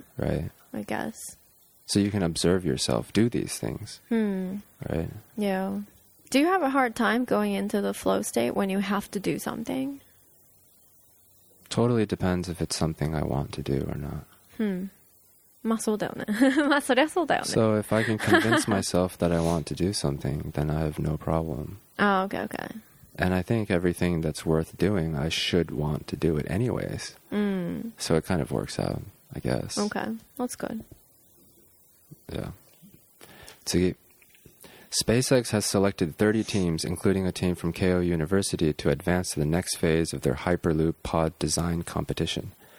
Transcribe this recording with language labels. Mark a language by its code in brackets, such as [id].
[en] Right. I guess. So you can observe yourself do these things. Right? Yeah. Do you have a hard time going into the flow state when you have to do something? Totally depends if it's something I want to do or not. [ja] まあそうだよね。まあそりゃそうだよね。So [en] if I can convince myself that I want to do something, then I have no problem. Oh, okay, okay. And I think everything that's worth doing, I should want to do it anyways. So it kind of works out, I guess. Okay, that's good. Yeah. 次.SpaceX has selected 30 teams, including a team from Keio University, to advance to the next phase of their Hyperloop pod design competition.